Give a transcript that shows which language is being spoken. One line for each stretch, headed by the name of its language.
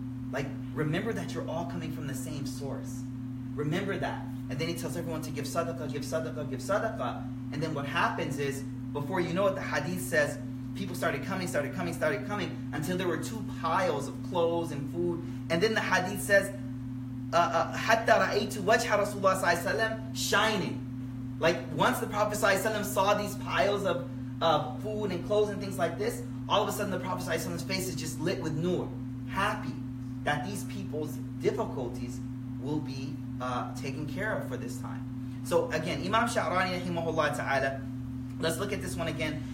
English: Like, remember that you're all coming from the same source. Remember that. And then he tells everyone to give sadaqah, give sadaqah, give sadaqah. And then what happens is, before you know it, the hadith says, people started coming, until there were two piles of clothes and food. And then the hadith says,
Arabic: حَتَّى رَأَيْتُ وَجْهَ رَسُولُ اللَّهِ صَلَّى اللَّهُ عَلَيْهِ وَسَلَّمَ
English: shining. Like, once the Prophet صلى الله عليه وسلم saw these piles of food and clothes and things like this, all of a sudden the Prophet صلى الله عليه وسلم's face is just lit with nur, happy that these people's difficulties will be taken care of for this time. So again, Imam Sha'rani rahimahullah ta'ala, let's look at this one again.